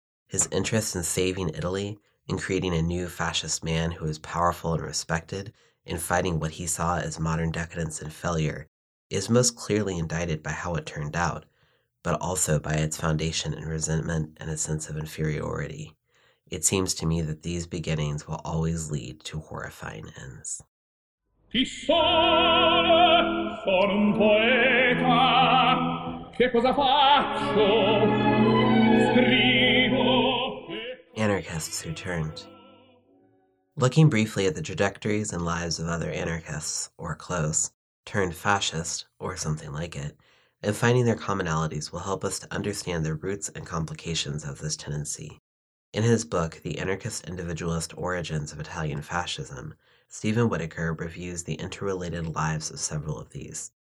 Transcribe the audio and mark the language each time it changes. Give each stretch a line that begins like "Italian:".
English: His interest in saving Italy, in creating a new fascist man who is powerful and respected, in fighting what he saw as modern decadence and failure, is most clearly indicted by how it turned out, but also by its foundation in resentment and a sense of inferiority. It seems to me that these beginnings will always lead to horrifying ends.
Italian: Ti sono, sono un poeta, che cosa faccio? Scrivo.
English: Anarchists who turned. Looking briefly at the trajectories and lives of other anarchists, or close, turned fascist, or something like it, and finding their commonalities will help us to understand the roots and complications of this tendency. In his book, The Anarchist Individualist Origins of Italian Fascism, Stephen Whitaker reviews the interrelated lives of several of these.